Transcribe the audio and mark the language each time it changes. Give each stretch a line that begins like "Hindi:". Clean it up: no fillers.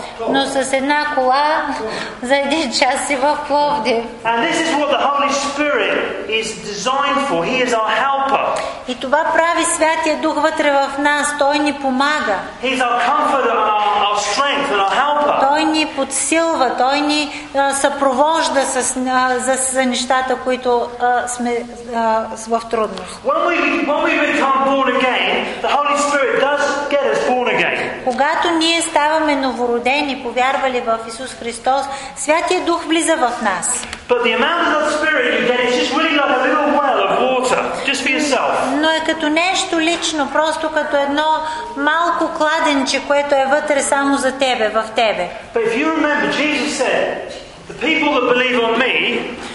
Bulgarian: Но с една кола за един час си в Пловдив.
English: And this is what the Holy Spirit is designed for. He is our helper.
Bulgarian: И това прави Святия Дух вътре в нас. Той ни помага.
English: He's our comforter and our strength and our helper.
Bulgarian: Той ни подсилва, той ни съпровожда за нещата, които сме в трудност.
English: When we become born again, the Holy Spirit does get us born again.
Bulgarian: Когато ние ставаме новородени, повярвали в Исус Христос, Святия Дух влиза в нас.
English: But the amount of the Spirit you get is just really like a little well of water, just for yourself.
Bulgarian: Но е като нещо лично, просто като едно малко кладенче, което е вътре само за тебе, в тебе.
English: But if you remember, Jesus said, the people that believe on me.